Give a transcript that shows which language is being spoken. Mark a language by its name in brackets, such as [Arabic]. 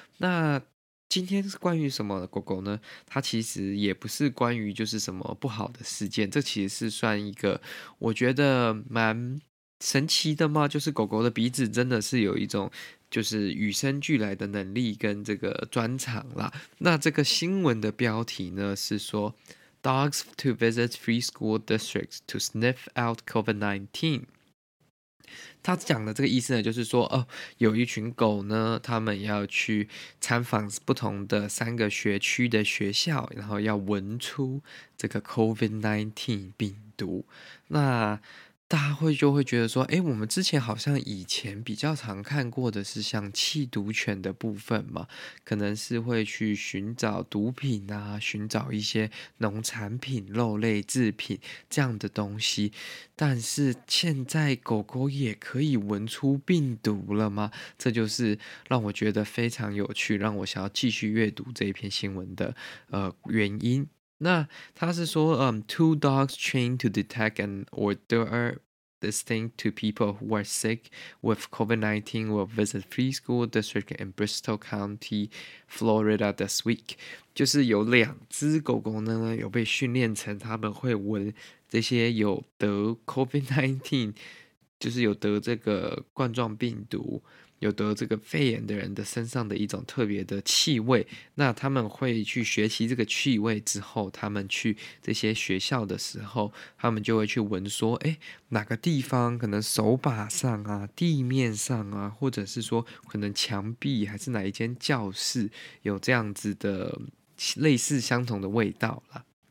[Chinese] 那今天是关于什么的狗狗呢？它其实也不是关于就是什么不好的事件，这其实是算一个我觉得蛮神奇的嘛，就是狗狗的鼻子真的是有一种就是与生俱来的能力跟这个专长啦。那这个新闻的标题呢是说 [English] Dogs to visit free school districts to sniff out COVID-19。 [Chinese] 他讲的这个意思呢就是说有一群狗呢，他们要去参访不同的三个学区的学校，然后要闻出这个 COVID-19 病毒。那大家会就会觉得说，诶，我们之前好像以前比较常看过的是像弃毒犬的部分嘛，可能是会去寻找毒品啊，寻找一些农产品、肉类制品这样的东西。但是现在狗狗也可以闻出病毒了吗？这就是让我觉得非常有趣，让我想要继续阅读这一篇新闻的原因。那他是说 [English] two dogs trained to detect an odor distinct to people who are sick with COVID-19 will visit three school district in Bristol County, Florida this week. [Chinese] 就是有两只狗狗呢有被训练成他们会闻这些有得 COVID-19， 就是有得这个冠状病毒，有得这个肺炎的人的身上的一种特别的气味。那他们会去学习这个气味之后，他们去这些学校的时候，他们就会去闻说，诶，哪个地方可能手把上啊，地面上啊，或者是说可能墙壁还是哪一间教室有这样子的类似相同的味道啦。